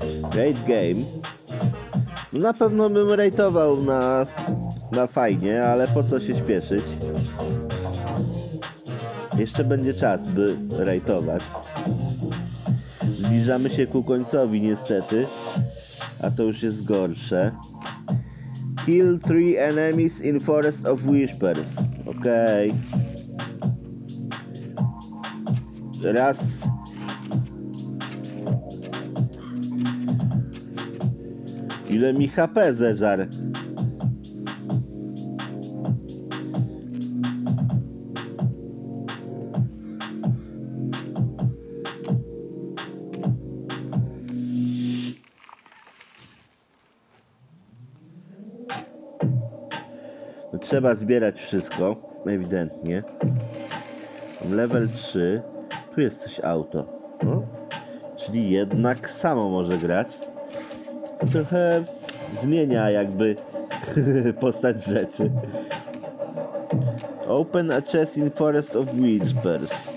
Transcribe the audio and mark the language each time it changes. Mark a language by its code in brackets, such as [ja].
[en] Great game. [pl] Na pewno bym rejtował na fajnie, ale po co się śpieszyć? Jeszcze będzie czas, by rejtować. Zbliżamy się ku końcowi, niestety. A to już jest gorsze. [en] Kill three enemies in Forest of Whispers. [pl] Okej. Okay. Raz. Ile mi HP zeżar? Trzeba zbierać wszystko, ewidentnie. Level 3. Tu jest coś auto. No. Czyli jednak samo może grać. Trochę zmienia jakby postać rzeczy. [en] Open a chest in Forest of Whispers.